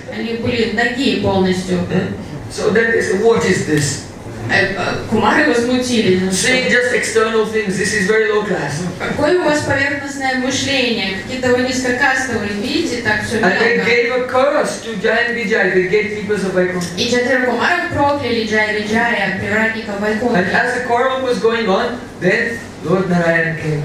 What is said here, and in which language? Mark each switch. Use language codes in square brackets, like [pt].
[ru] Они были ноги полностью. [en] So then they said, what is this? [ru] Кумары возмутились. [en] Seeing just external things, this is very low class. [ru] Какое у вас поверхностное мышление? Какие-то вы низкокастовые, видите, так все мелко. [en] And they gave a curse to Jai and Vijay, the gatekeepers of Vaikuntha. [ru] И четверо кумаров прокляли Jai and Vijay, привратников Вайкунтхи. [en] And as the quarrel was going on, then Lord Narayan came.